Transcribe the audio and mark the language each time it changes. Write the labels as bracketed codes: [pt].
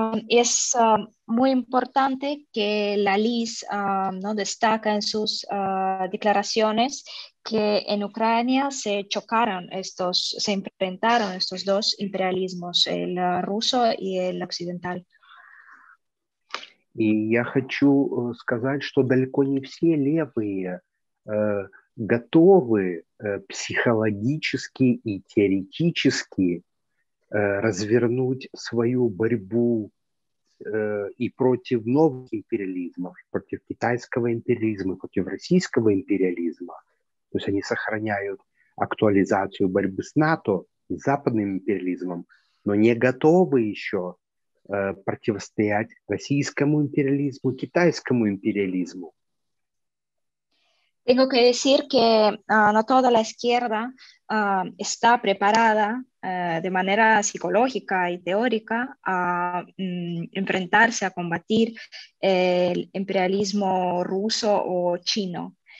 [es] Es muy importante que la LIS no destaca en sus declaraciones que en Ucrania se chocaron estos, se enfrentaron estos dos imperialismos, el ruso y el occidental. [ru] И я хочу сказать, что далеко не все левые готовы психологически и теоретически развернуть свою борьбу и против новых империализмов, против китайского империализма, против российского империализма. То есть они сохраняют актуализацию борьбы с НАТО и с западным империализмом, но не готовы еще противостоять российскому империализму, китайскому империализму. [es] Tengo que decir que no toda la izquierda está preparada de manera psicológica y teórica a enfrentarse, a combatir el imperialismo ruso o chino.